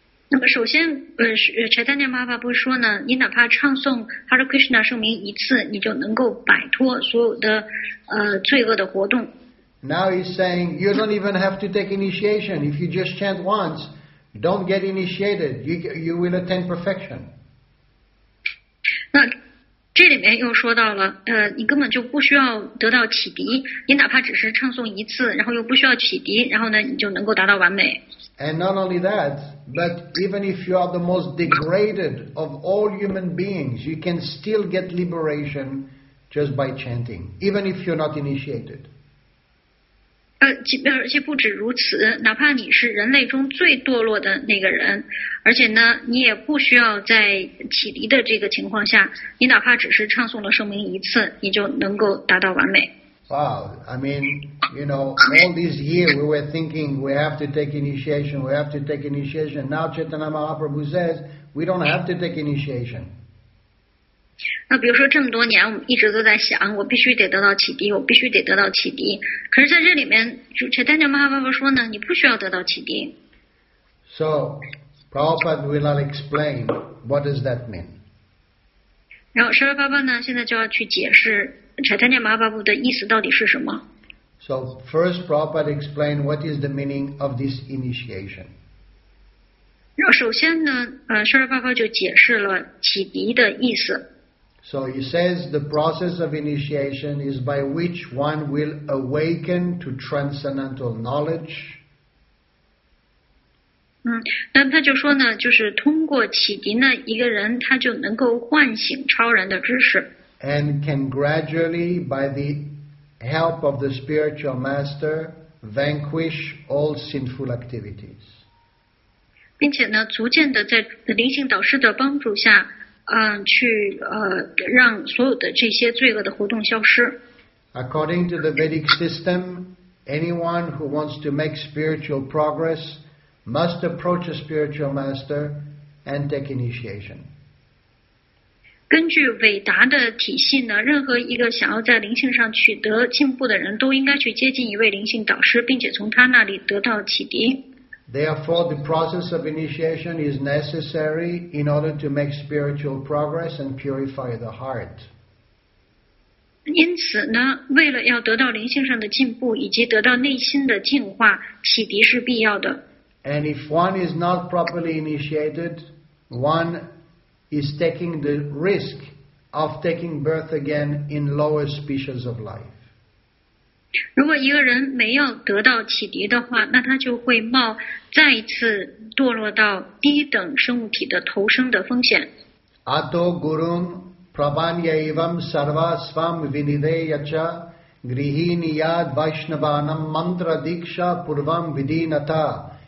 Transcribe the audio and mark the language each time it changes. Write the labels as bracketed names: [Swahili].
[Chinese] 那么首先，Chaitanya Mahaprabhu 说呢，你哪怕唱诵 Hare Krishna 圣名一次，你就能够摆脱所有的罪恶的活动。 [English] Now he's saying, you don't even have to take initiation. If you just chant once, don't get initiated. You will attain perfection. [Chinese] 那这里面又说到了你根本就不需要得到启迪，你哪怕只是唱诵一次，然后又不需要启迪，然后呢你就能够达到完美。 [English] And not only that, but even if you are the most degraded of all human beings, you can still get liberation just by chanting, even if you're not initiated. [Chinese] 而且不止如此，哪怕你是人类中最堕落的那个人，而且呢，你也不需要在启迪的这个情况下，你哪怕只是唱诵了圣名一次，你就能够达到完美。 [English] Wow, I mean, you know, all these years we were thinking we have to take initiation, we have to take initiation. Now Chaitanya Mahaprabhu says we don't have to take initiation. [Chinese] 那比如说这么多年，我们一直都在想，我必须得得到启迪，我必须得得到启迪。可是在这里面，就Chaitanya Mahaprabhu说呢，你不需要得到启迪。 [English] So, Prabhupada will not explain what does that mean. [Chinese] 然后十二爸爸呢，现在就要去解释Chaitanya Mahaprabhu的意思到底是什么。 [English] So, first Prabhupada explained what is the meaning of this initiation. [Chinese] 然后首先呢，十二爸爸就解释了启迪的意思。 [English] So he says the process of initiation is by which one will awaken to transcendental knowledge. [Chinese] 嗯，那他就说呢，就是通过启迪呢，一个人他就能够唤醒超然的知识。 [English] And can gradually, by the help of the spiritual master, vanquish all sinful activities. [Chinese] 并且呢，逐渐的在灵性导师的帮助下，去让所有的这些罪恶的活动消失。 [English] According to the Vedic system, anyone who wants to make spiritual progress must approach a spiritual master and take initiation. [Chinese] 根据韦达的体系呢，任何一个想要在灵性上取得进步的人都应该去接近一位灵性导师，并且从他那里得到启迪。 [English] Therefore, the process of initiation is necessary in order to make spiritual progress and purify the heart. [Chinese] 因此呢，为了要得到灵性上的进步以及得到内心的净化，启迪是必要的。 [English] And if one is not properly initiated, one is taking the risk of taking birth again in lower species of life. [Chinese] 如果一个人没有得到启迪的话，那他就会冒再次堕落到低等生物体的投生的风险。 [Sanskrit] Ato gurum prabhanya evam sarva svam vinideyacha grihiniyad vaishnavanam mantra diksha purvam vidinata.